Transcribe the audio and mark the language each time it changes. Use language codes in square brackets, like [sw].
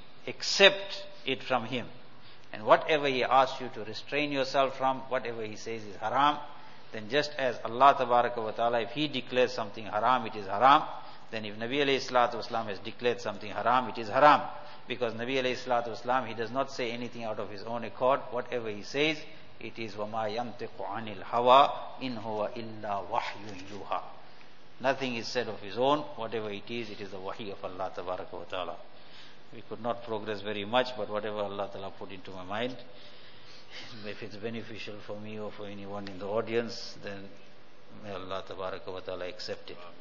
[en] Accept it from him. And whatever he asks you to restrain yourself from, whatever he says is haram, then just as Allah tabaraka wa ta'ala, if he declares something haram, it is haram. Then if Nabi alayhi salatu wasalam has declared something haram, it is haram. Because Nabi alayhi salatu wasalam, he does not say anything out of his own accord. Whatever he says, it is [ar] وَمَا يَمْتِقُ عَنِ الْهَوَىٰ إِنْ هُوَ إِلَّا وَحْيٌ يُوحَىٰ. [en] Nothing is said of his own. Whatever it is the wahi of Allah tabaraka wa ta'ala. We could not progress very much, but whatever Allah ta'ala put into my mind, if it's beneficial for me or for anyone in the audience, then may Allah tabaraka wa ta'ala accept it.